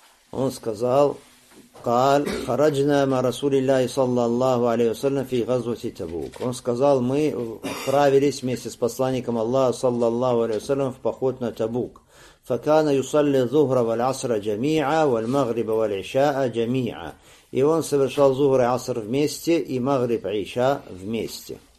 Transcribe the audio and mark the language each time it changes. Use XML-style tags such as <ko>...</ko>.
<ru>Он сказал:</ru> <ar>قال خرجنا مع رسول الله صلى الله عليه وسلم في غزوة تبوك.</ar> <ru>Он сказал, мы отправились вместе с посланником Аллаха</ru> <ar>صلى الله عليه وسلم</ar> <ru>в поход на Табук.</ru> <ar>فكان يصلي الظهر والعصر جميعا والمغرب والعشاء جميعا.</ar> <ru>И он совершал зухр и аср вместе и магриб и иша вместе.</ru>